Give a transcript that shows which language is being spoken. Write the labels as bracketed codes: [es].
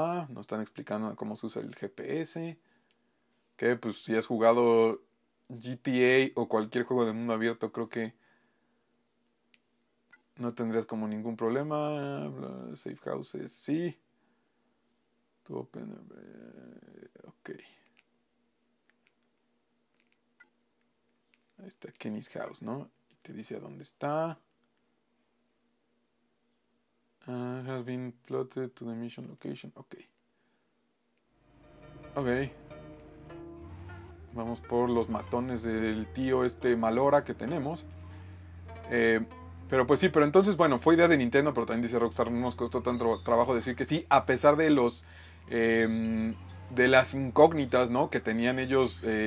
[es] Nos están explicando cómo se usa el GPS. Que pues si has jugado GTA o cualquier juego de mundo abierto, creo que no tendrías como ningún problema. [en] Safe houses, sí. Open. Ok. [es] Ahí está Kenny's House, ¿no? Y te dice a dónde está. [en] Has been plotted to the mission location. Ok. Ok. [es] Vamos por los matones del tío este Malora que tenemos. Pero pues sí, pero entonces, bueno, fue idea de Nintendo, pero también dice Rockstar, no nos costó tanto trabajo decir que sí, a pesar de los... de las incógnitas, ¿no? Que tenían ellos.